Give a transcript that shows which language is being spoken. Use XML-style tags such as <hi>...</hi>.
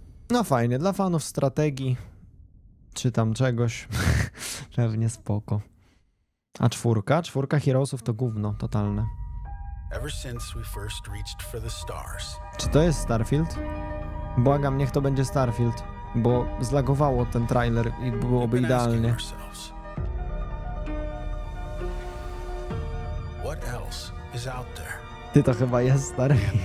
<pl>No fajnie, dla fanów strategii czy tam czegoś. Pewnie spoko. A czwórka? Czwórka Heroesów to gówno totalne.</pl> <en>Ever since we first reached for the stars.</en> <pl>Czy to jest Starfield? Błagam, niech to będzie Starfield. Bo zlagowało ten trailer i byłoby idealnie.</pl> <en>What else is out there?</en> <pl>Ty to chyba jest stary.</pl>